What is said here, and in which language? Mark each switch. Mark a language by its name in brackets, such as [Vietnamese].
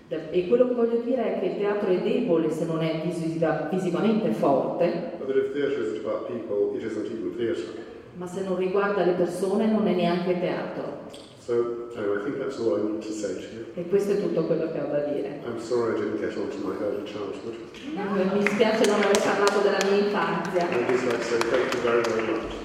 [Italian] E quello che voglio dire è che il teatro è debole se non è visivamente forte. [English] But if theatre isn't about people, it isn't even theatre. [Italian] Ma se non riguarda le persone non è neanche teatro. [English] So, anyway, I think that's all I need to say to you. [Italian] E questo è tutto quello che ho da dire. [English] I'm sorry I didn't get onto my early childhood. [Italian] No, mi spiace non aver parlato della mia infanzia. [English] I'd just like to say thank you very, very much.